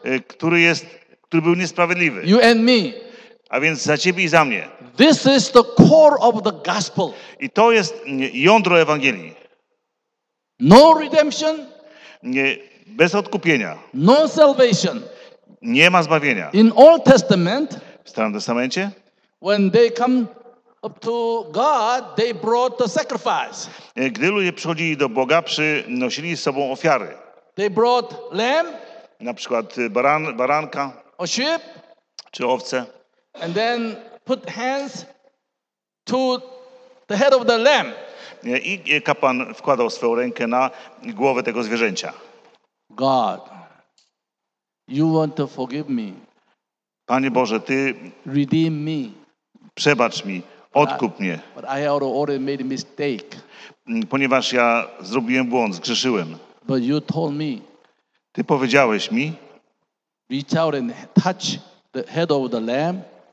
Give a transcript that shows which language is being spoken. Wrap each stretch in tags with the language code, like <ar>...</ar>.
<pl>Który był niesprawiedliwy.</pl> <en>You and me.</en> <pl>A więc za ciebie i za mnie.</pl> <en>This is the core of the gospel.</en> <pl>I to jest jądro Ewangelii.</pl> <en>No redemption.</en> <pl>Nie, bez odkupienia.</pl> <en>No salvation.</en> <pl>Nie ma zbawienia.</pl> <en>In Old Testament.</en> <pl>W Starym Testamencie.</pl> <en>When they come up to God, they brought the sacrifice.</en> <pl>Gdy ludzie przychodzili do Boga, przynosili z sobą ofiary.</pl> <en>They brought lamb.</en> <pl>Na przykład baranka.</pl> <en>Or sheep.</en> <pl>Czy owce.</pl> <en>And then put hands to the head of the lamb.</en> <pl>I kapłan wkładał swoją rękę na głowę tego zwierzęcia.</pl> <en>God, you want to forgive me.</en> <pl>Panie Boże, ty</pl> <en>redeem me.</en> <pl>Przebacz mi, odkup mnie.</pl> <en>But I already made a mistake.</en> <pl>Ponieważ ja zrobiłem błąd, zgrzeszyłem.</pl> <en>But you told me.</en> <pl>Ty powiedziałeś mi.</pl> <en>Reach out and touch the head of the lamb.</en>